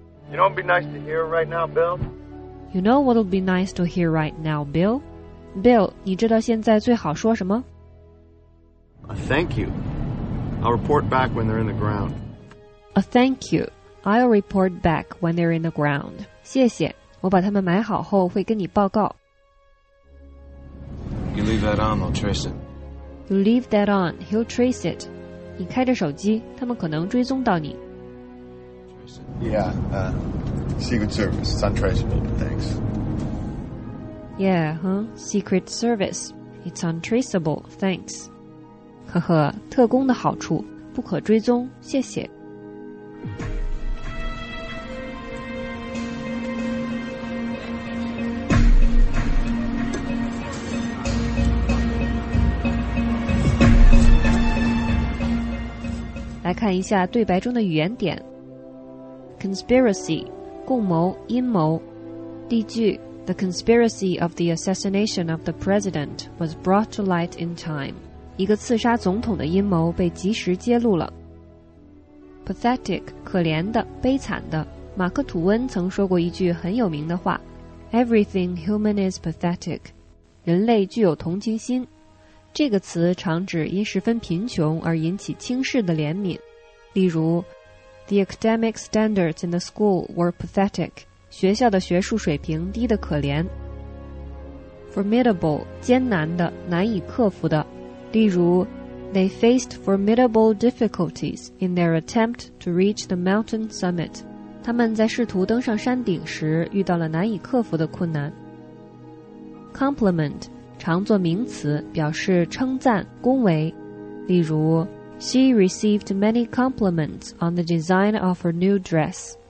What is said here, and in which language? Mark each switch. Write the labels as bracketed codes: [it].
[en] You know what'd be nice to hear right now, Bill? You know what'll be nice to hear right now, Bill? [zh] Bill, 你知道现在最好说什么？ [en] Thank you. I'll report back when they're in the ground. Thank you. I'll report back when they're in the ground. [zh] 谢谢，我把他们埋好后会跟你报告。 [en] You leave that on, they'll trace it. You leave that on, he'll trace it. [zh] 你开着手机，他们可能追踪到你。 [en] Yeah, Secret Service, it's untraceable, but thanks. Yeah, huh? Secret Service, it's untraceable, thanks. [zh] 呵呵，特工的好处，不可追踪，谢谢。来看一下对白中的语言点。 Conspiracy, 共谋、阴谋。 [en] 例句 ,The conspiracy of the assassination of the president was brought to light in time. [zh] 一个刺杀总统的阴谋被及时揭露了。 Pathetic, 可怜的、悲惨的。马克吐温曾说过一句很有名的话 , [en] Everything human is pathetic. [zh] 人类具有同情心。这个词常指因十分贫穷而引起轻视的怜悯。 [en] 例如The academic standards in the school were pathetic. [zh] 学校的学术水平低得可怜。 Formidable, 艰难的，难以克服的。 [en] 例如 ,They faced formidable difficulties in their attempt to reach the mountain summit. [zh] 他们在试图登上山顶时遇到了难以克服的困难。 Compliment, 常作名词，表示称赞、恭维。 [en] 例如She received many compliments on the design of her new dress.